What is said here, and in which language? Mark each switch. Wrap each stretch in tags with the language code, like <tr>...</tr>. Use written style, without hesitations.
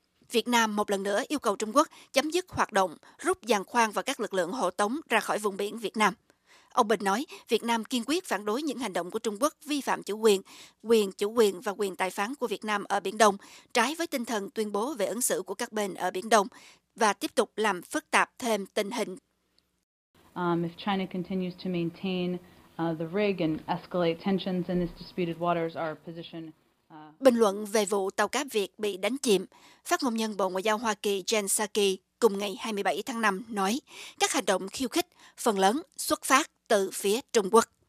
<vi>Việt Nam một lần nữa yêu cầu Trung Quốc chấm dứt hoạt động, rút giàn khoan và các lực lượng hộ tống ra khỏi vùng biển Việt Nam. Ông Bình nói Việt Nam kiên quyết phản đối những hành động của Trung Quốc vi phạm chủ quyền và quyền tài phán của Việt Nam ở Biển Đông, trái với tinh thần tuyên bố về ứng xử của các bên ở Biển Đông, và tiếp tục làm phức tạp thêm tình hình.</vi> <en>If China continues to maintain the rig and escalate tensions in this disputed waters, our position.</en> <vi>Bình luận về vụ tàu cá Việt bị đánh chìm, phát ngôn nhân Bộ Ngoại giao Hoa Kỳ Jen Psaki cùng ngày 27 tháng 5 nói, các hành động khiêu khích phần lớn xuất phát từ phía Trung Quốc.</vi>